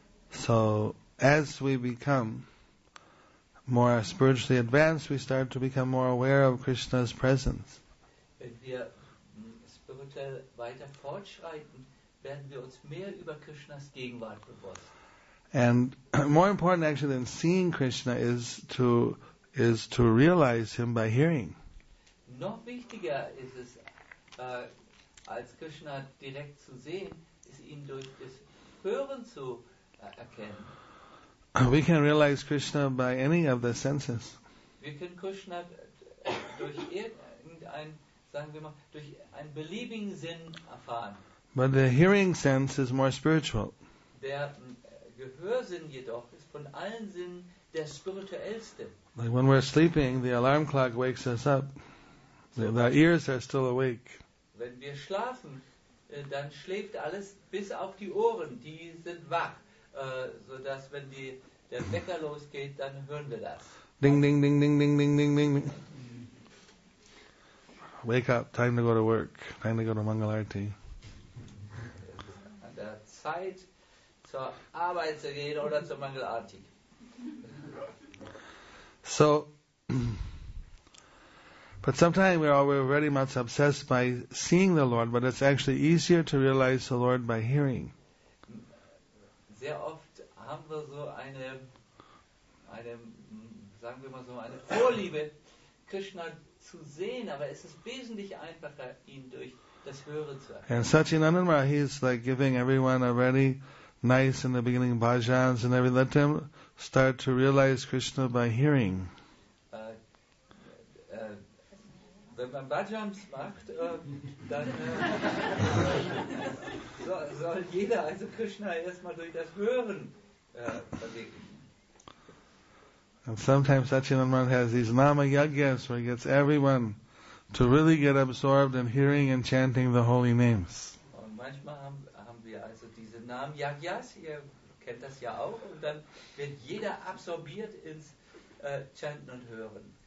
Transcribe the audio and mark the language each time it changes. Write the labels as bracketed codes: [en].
[en] So, as we become more spiritually advanced, we start to become more aware of Krishna's presence. [de] Wenn wir spirituell weiter fortschreiten, werden wir uns mehr über Krishnas Gegenwart bewusst. [en] And more important actually than seeing Krishna is to realize him by hearing. [de] Noch wichtiger ist es, als Krishna direkt zu sehen, ist ihn durch das Hören zu erleben. erkennen. [en] We can realize Krishna by any of the senses. [de] Wir können Krishna durch irgendein, sagen wir mal, durch einen beliebigen Sinn erfahren. [en] But the hearing sense is more spiritual. [de] Der Gehörsinn jedoch ist von allen Sinnen der spirituellste. [en] Like when we're sleeping, the alarm clock wakes us up. The ears are still awake. [de] Wenn wir schlafen, dann schläft alles bis auf die Ohren. Die sind wach, so dass wenn der Wecker losgeht, dann hören wir das. Ding, ding, ding, ding, ding, ding, ding, ding. [en] Wake up, time to go to work. Time to go to Mangalarti. [de] An der Zeit, zur Arbeit zu gehen oder zur Mangalarti. [en] So, but sometimes we're very much obsessed by seeing the Lord, but it's actually easier to realize the Lord by hearing. [de] Sehr oft haben wir so eine, sagen wir mal so, eine Vorliebe, Krishna zu sehen, aber es ist wesentlich einfacher, ihn durch das Hören zu erkennen. [en] And Satchinanda Maharaj, he is like giving everyone a very nice in the beginning bhajans and everything. Let him start to realize Krishna by hearing. [de] Wenn man bhajans macht, dann soll jeder, also Krishna, erstmal durch das Hören verwirklichen. [en] And sometimes Satchinanda Maharaj has these Nama Yajnas where he gets everyone to really get absorbed in hearing and chanting the holy names. [de] Und manchmal haben wir also diese Nama Yajnas, ihr kennt das ja auch, und dann wird jeder absorbiert ins Chanten und Hören.